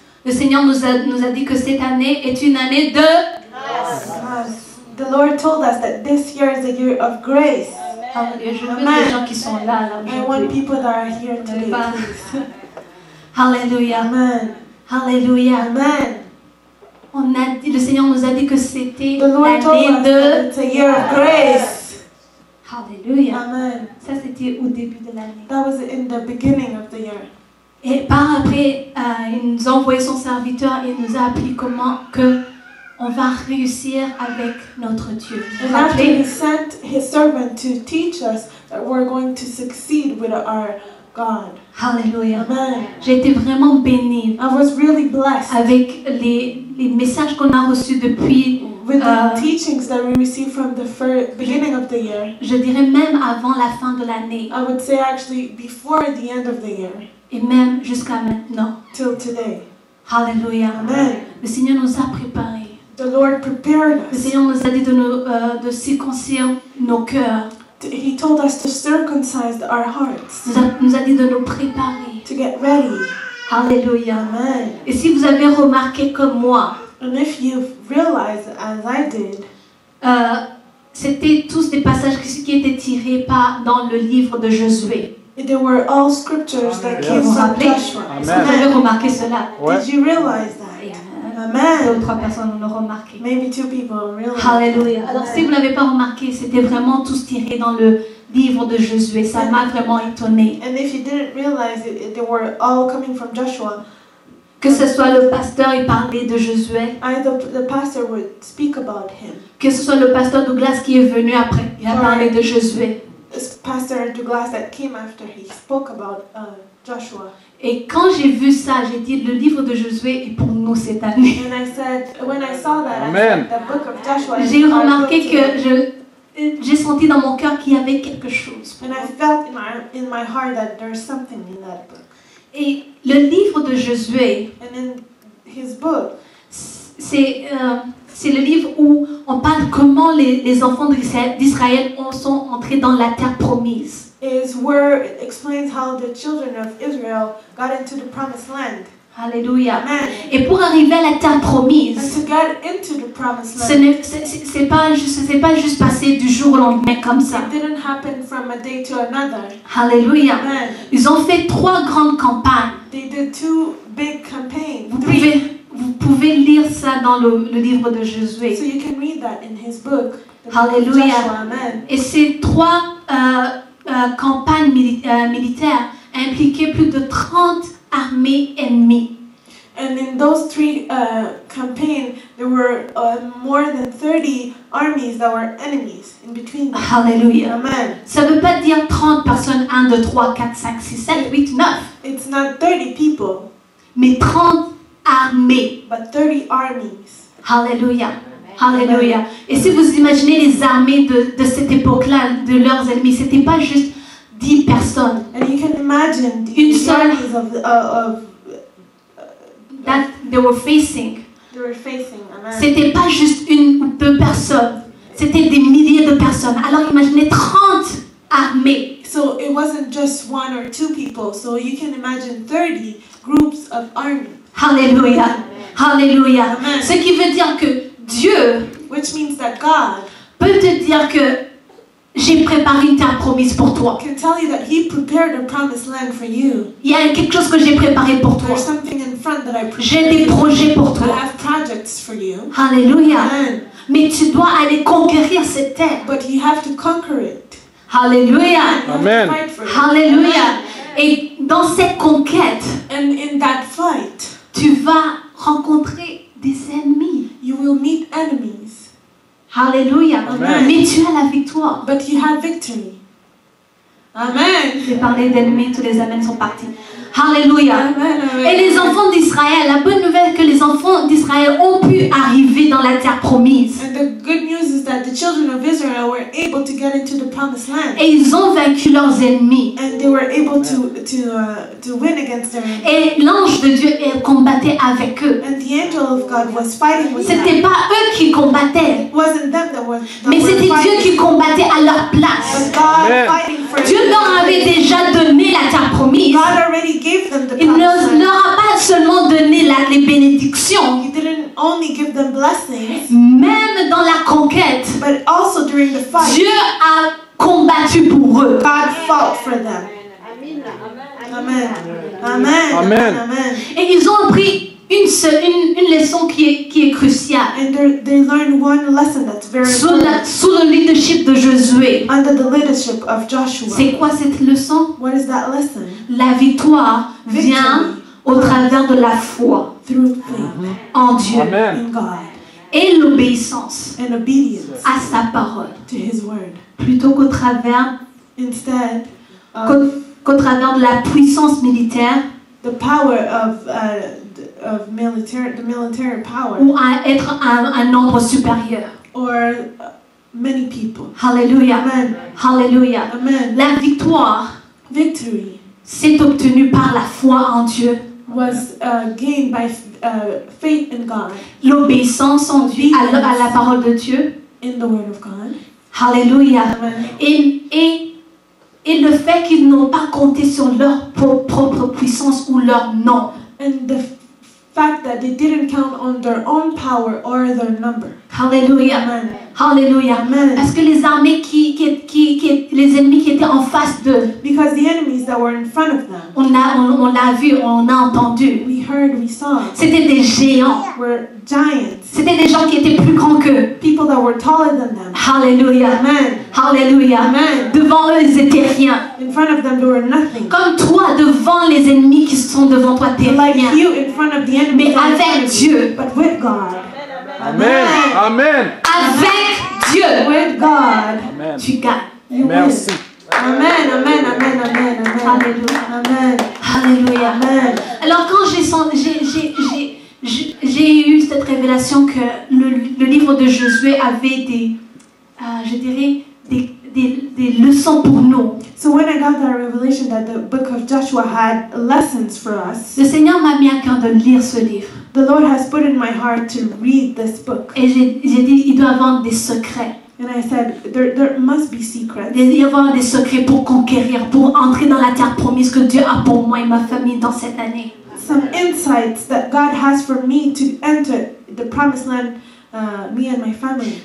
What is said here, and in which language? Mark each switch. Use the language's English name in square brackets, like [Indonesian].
[French] le Seigneur nous a dit que cette année est une année de grâce. [English] The Lord told us that this year is a year of grace. Amen. [French] Je veux des gens qui sont là aujourd'hui. [English] I want people that are here today. Alléluia. Amen. Alléluia. Amen. [French] On a dit, le Seigneur nous a dit que c'était l'année de [English] it's a year of grace. Hallelujah. Amen. [French] Ça c'était au début de l'année. [English] That was in the beginning of the year. [French] Et par après, il nous a envoyé son serviteur et il nous a appris comment que on va réussir avec notre Dieu. [English] And after he sent his servant to teach us that we're going to succeed with our God. Hallelujah. Amen. [French] J'ai été vraiment bénie. [English] I was really blessed. [French] Avec les messages qu'on a reçus depuis [English] with the teachings that we received from the beginning of the year. [French] Je dirais même avant la fin de l'année. [English] I would say actually before the end of the year. [French] Et même jusqu'à maintenant. [English] Till today. Hallelujah. Amen. [French] Le Seigneur nous a préparé. [English] The Lord prepared us. [French] Le Seigneur nous a dit de circoncire nos cœurs. [English] He told us to circumcise our hearts. [French] Nous a dit de nous préparer. [English] To get ready. Hallelujah. Amen. [French] Et si vous avez remarqué comme moi, [English] and if you realize as I did, [French] c'était tous des passages qui étaient tirés par dans le livre de Josué. [English] They were all scriptures that came from Joshua. [French] Est-ce que vous avez remarqué cela? [English] What? Did you realize that? [French] Amen. Deux ou trois personnes l'ont remarqué. [English] Maybe two people really. Hallelujah. [French] Alors si vous l'avez pas remarqué, c'était vraiment tous tirés dans le livre de Josué. Ça m'a vraiment étonnée. [English] And if you didn't realize it, they were all coming from Joshua. [French] Que ce soit le pasteur, il parlait de Josué. [English] Either the pastor would speak about him. [French] Que ce soit le pasteur Douglas qui est venu après, il a parlé de Josué. [English] Pastor Douglas that came after, he spoke about Joshua. [French] Et quand j'ai vu ça, j'ai dit le livre de Josué est pour nous cette année. [English] And I said when I saw that, amen. I said, the book of Joshua. [French] J'ai remarqué que j'ai senti dans mon cœur qu'il y avait quelque chose. [English] And I felt in my heart that there's something in that book. [French] Et le livre de Josué. [English] And in his book. [French] C'est le livre où on parle comment les enfants d'Israël sont entrés dans la terre promise. [English] Is where it explains how the children of Israel got into the promised land. Hallelujah. Amen. [French] Et pour arriver à la terre promise, [English] and to get into the promised land, [French] ce n'est pas juste passé du jour au lendemain comme ça. [English] It didn't happen from a day to another. Hallelujah. Amen. [French] Ils ont fait trois grandes campagnes. [English] They did two big campaigns. [French] Vous pouvez lire ça dans le livre de Josué. [English] So you can read that in his book. Hallelujah. Joshua, amen. [French] Et ces trois campagne militaire impliquait plus de 30 armées ennemies. [English] And in those three campaigns, there were more than 30 armies that were enemies in between them. Hallelujah. Amen. [French] Ça veut pas dire 30 personnes, 1, 2, 3, 4, 5, 6, 7, 8, 9. [English] It's not 30 people. [French] Mais 30 armées. [English] But 30 armies. Hallelujah. Hallelujah. [French] Et si vous imaginez les armées de cette époque-là, de leurs ennemis, ce n'était pas juste 10 personnes. [English] And you can imagine the armies of... That, they were facing. [French] C'était pas juste une ou deux personnes, c'était des milliers de personnes. Alors imaginez 30 armées. [English] So it wasn't just one or two people. So you can imagine 30 groups of army. [French] Hallelujah. Hallelujah. Ce qui veut dire que Dieu, [English] which means that God, [French] peut te dire que j'ai préparé ta promise pour toi. [English] Can tell you that he prepared a promised land for you. [French] Il y a quelque chose que j'ai préparé pour toi. [English] There's something in front that I prepared. [French] J'ai des projets pour toi. [English] I have projects for you. Hallelujah. Amen. [French] Mais tu dois aller conquérir cette terre. [English] But you have to conquer it. Hallelujah. Amen. [French] Hallelujah. Et dans cette conquête, [English] and in that fight, [French] tu vas rencontrer des ennemis. [English] You will meet enemies. Hallelujah. Amen. [French] Mais tu as la victoire. [English] But you have victory. Amen. [French] J'ai parlé d'ennemis, tous les amens sont partis. Hallelujah. Amen, amen. Et les enfants d'Israël, la bonne nouvelle que les enfants d'Israël ont pu arriver dans la terre promise. [English] And the good news is that the children of Israel were able to get into the promised land. [French] Et ils ont vaincu leurs ennemis. [English] And they were able to win against their enemies. [French] Et l'ange de Dieu combattait avec eux. [English] And the angel of God was fighting with [French] them. C'était pas eux qui combattaient. [English] It wasn't them that were fighting. [French] Mais c'était Dieu qui combattait à leur place. [English] But God fighting for [French] Dieu leur avait déjà donné la terre promise. [English] God already gave them the [French] promise. Il ne leur a pas seulement donné les bénédictions. [English] He didn't only give them blessings. [French] Même dans la conquête, [English] but also during the fight, [French] Dieu a combattu pour eux. [English] God fought for them. Amen. Amen. Amen. Amen. [French] Et ils ont appris une leçon qui est cruciale. [English] And they learned one lesson that's very important. [French] Sous le leadership de Josué. [English] Under the leadership of Joshua. [French] C'est quoi cette leçon? [English] What is that lesson? [French] La victoire vient au travers de la foi. [English] Through faith. Mm-hmm. [French] En Dieu. Amen. [English] In God. [French] Et l'obéissance. [English] And obedience. [French] À sa parole. [English] To his word. [French] Plutôt qu'au travers. [English] Instead. [French] Qu'au travers de la puissance militaire. [English] The power of military, the military power, [French] ou à être un nombre supérieur, [English] or many people. Hallelujah. Amen. Hallelujah. Amen. [French] La victoire, [English] victory, [French] s'est obtenue par la foi en Dieu. [English] Was gained by faith in God. [French] L'obéissance en Dieu à la parole de Dieu. [English] In the word of God. Hallelujah. Amen. [French] Et le fait qu'ils n'ont pas compté sur leur propre puissance ou leur nom. [English] And the fact that they didn't count on their own power or their number. Hallelujah. Amen. Hallelujah. Amen. [French] Parce que les armées qui les ennemis qui étaient en face d'eux. [English] Because the enemies that were in front of them. [French] On l'a vu, on a entendu. [English] We heard, we saw. [French] C'était des géants. [English] Were giants. [French] C'était des gens qui étaient plus grands qu'eux. [English] People that were taller than them. Hallelujah. Amen. Hallelujah. Amen. [French] Devant eux, ils étaient rien. [English] In front of them, they were nothing. [French] Comme toi, devant les ennemis qui sont devant toi, t'es [English] like [French] rien. [English] You in front of the enemy. [French] Mais avec Dieu. [English] But with God. Amen. Amen. [French] Avec Dieu. [English] With God. Amen. [French] Tu gagnes. Merci. Amen. Amen. Amen. Amen. Hallelujah. Amen. Hallelujah. Amen. Alors quand j'ai eu cette révélation que le livre de Josué avait des leçons pour nous. [English] So when I got that revelation that the book of Joshua had lessons for us. [French] Le Seigneur m'a mis à cœur de lire ce livre. [English] The Lord has put in my heart to read this book. [French] Et j'ai dit, il doit y avoir des secrets. [English] And I said, there must be secrets. [French] Il doit y avoir des secrets pour conquérir, pour entrer dans la terre promise que Dieu a pour moi et ma famille dans cette année. [English] Some insights that God has for me to enter the promised land, me and my family.